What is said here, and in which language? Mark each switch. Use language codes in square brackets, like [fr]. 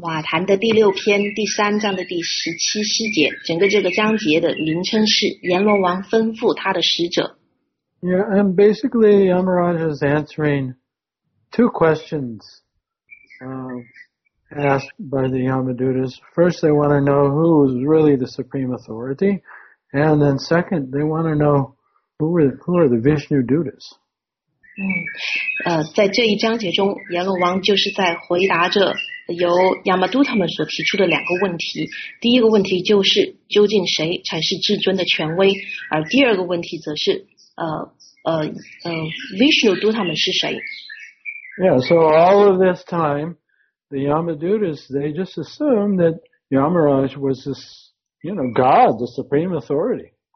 [zh] 我们就一起来看到瓦坛的第六篇第三章的第十七细节 整个这个章节的名称是阎罗王吩咐他的使者。 [en] Yeah, and basically Yamaraj is answering two questions asked by the Yamadutas. First, they want to know who is really the supreme authority, and then second, they want to know who are the Vishnu Dutas. [zh] 在这一章节中，阎罗王就是在回答着由亚玛都他们所提出的两个问题。第一个问题就是究竟谁才是至尊的权威，而第二个问题则是，Vishnu都他们是谁？ [en] Yeah, so all of this time, the Yamadutas, they just assumed that Yamaraj was this, you know, God, the supreme authority.